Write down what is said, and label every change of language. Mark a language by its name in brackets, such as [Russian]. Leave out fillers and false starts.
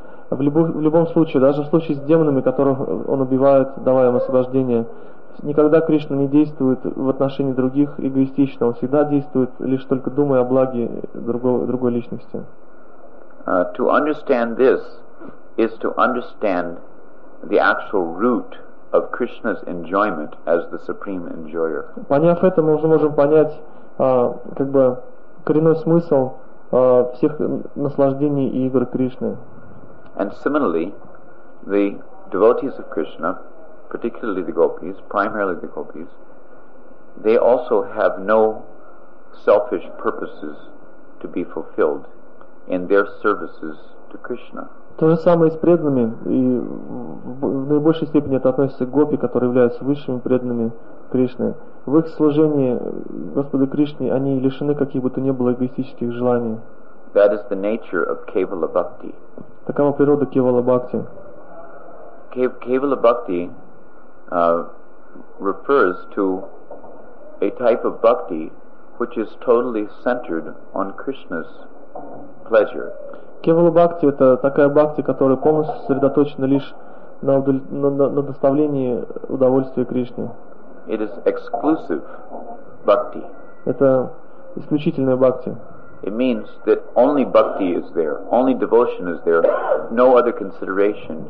[Russian] В любом случае, даже в случае с демонами, которых он убивает, давая им освобождение, никогда Кришна не действует в отношении других эгоистично. Он всегда действует, лишь только думая о благе другой личности. [English] To understand this is to understand the actual root of Krishna's enjoyment as the supreme enjoyer. [Russian] Поняв это, мы уже можем понять как бы коренной смысл всех наслаждений и игр Кришны. [English] And similarly, the devotees of Krishna, particularly the gopis, primarily the gopis, they also have no selfish purposes to be fulfilled in their services to Krishna. [Russian] То же самое с преданными, и в наибольшей степени это относится к гопи, которые являются высшими преданными Кришны. В их служении Господу Кришне они лишены каких бы то ни было эгоистических желаний. [English] That is the nature of Kevala Bhakti. [Russian] Такова природа Кевала Бхакти. [English] Kevala Bhakti refers to a type of bhakti which is totally centered on Krishna's pleasure. [Russian] Kevala Bhakti — это такая бхакти, которая полностью сосредоточена лишь на доставлении удовольствия Кришне. [English] It is exclusive bhakti. [Russian] Это исключительная бхакти. [English] It means that only bhakti is there, only devotion is there, no other consideration.